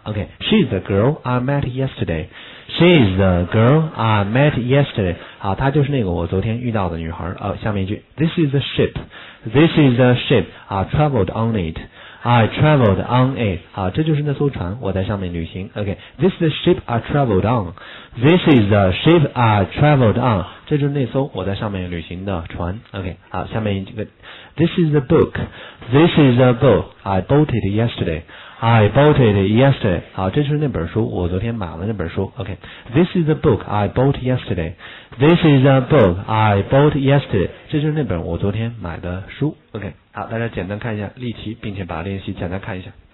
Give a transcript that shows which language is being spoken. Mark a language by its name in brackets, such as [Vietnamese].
[English] OK， she is a girl I met yesterday， she is a girl I met yesterday， [Chinese] 啊，她就是那个我昨天遇到的女孩。下面一句 [English] ，this is a ship， this is a ship， I traveled on it。 I traveled on it. [Chinese] 好，这就是那艘船，我在上面旅行。 [English] Okay, this is the ship I traveled on. This is the ship I traveled on. [Chinese] 这就是那艘我在上面旅行的船。 [English] Okay, [Chinese] 好，下面一个。 [English] This is the book. This is the book I bought it yesterday. I bought it yesterday. [Chinese] 好，这就是那本书，我昨天买了那本书。 [English] Okay, this is the book I bought yesterday. This is the book I bought yesterday. [Chinese] 这就是那本我昨天买的书。 [English] Okay. [Chinese] 好，大家简单看一下例题，并且把练习简单看一下。